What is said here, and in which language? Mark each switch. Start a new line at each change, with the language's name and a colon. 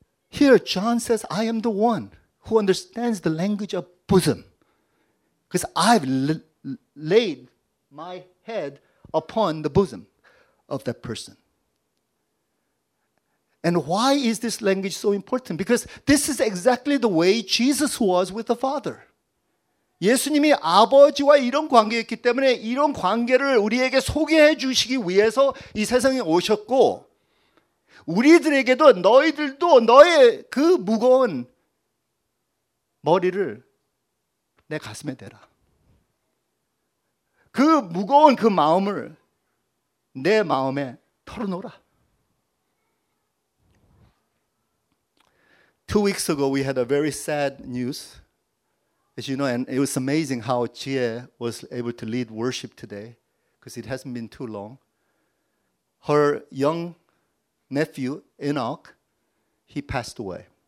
English: Here, John says, I am the one who understands the language of bosom. Because I've laid my head upon the bosom of that person. And why is this language so important? Because this is exactly the way Jesus was with the Father.
Korean: 예수님이 아버지와 이런 관계였기 때문에 이런 관계를 우리에게 소개해 주시기 위해서 이 세상에 오셨고 우리들에게도 너희들도 너의 그 무거운 머리를 내 가슴에 대라. 그 무거운 그 마음을 내 마음에 털어놓으라.
English: 2 weeks ago, we had a very sad news, as you know, and it was amazing how Jie was able to lead worship today, because it hasn't been too long. Her young nephew, Enoch, he passed away.